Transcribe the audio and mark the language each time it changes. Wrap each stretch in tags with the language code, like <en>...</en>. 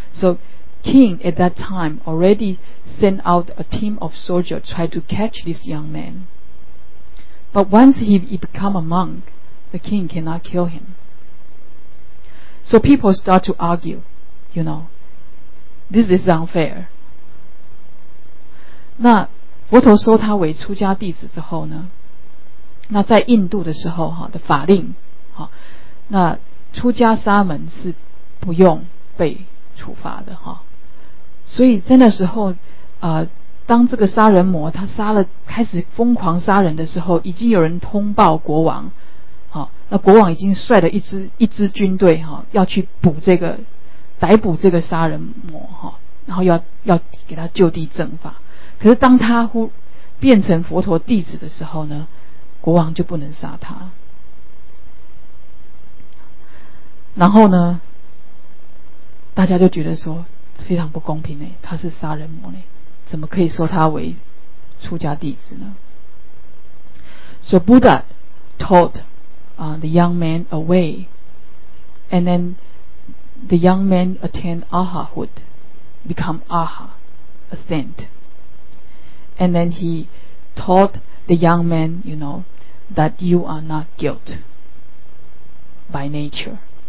<en>So king at that time already sent out a team of soldiers try to catch this young man. But once he become a monk, the king cannot kill him. So people start to argue, you know, this is unfair.</en> <zh>那佛陀收他为出家弟子之后呢，那在印度的时候的法令，那出家沙门是不用被处罚的，所以在那时候当这个杀人魔他杀了，开始疯狂杀人的时候，已经有人通报国王，那国王已经率了一支军队要去捕这个逮捕这个杀人魔，然后要给他就地正法。可是当他变成佛陀弟子的时候呢，国王就不能杀他。然后呢，大家就觉得说非常不公平，他是杀人魔，怎么可以收他为出家弟子呢？</zh> <en>So Buddha taught the young man a way, and then the young man attained arhathood, become arha, a saint. And then he taught the young man, you know, that you are not guilt by nature.</en>